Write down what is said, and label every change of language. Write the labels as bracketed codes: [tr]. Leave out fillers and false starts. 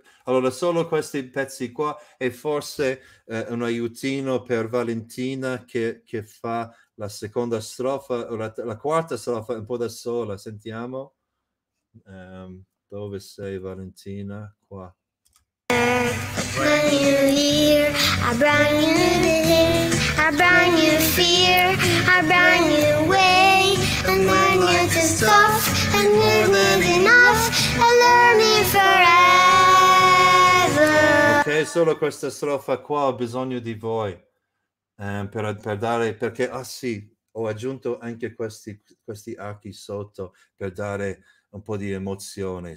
[it] Allora, solo questi pezzi qua e forse un aiutino per Valentina che fa... La seconda strofa, la quarta strofa, un po' da sola, sentiamo. Dove sei, Valentina? Qua. [en] When you hear, a brand new day, a brand new fear, a brand new way, and then you just stop, and you're living off, and learning forever. [it] Ok, solo questa strofa qua, ho bisogno di voi. Per dare, perché, ah sì, ho aggiunto anche questi archi sotto per dare un po' di emozione.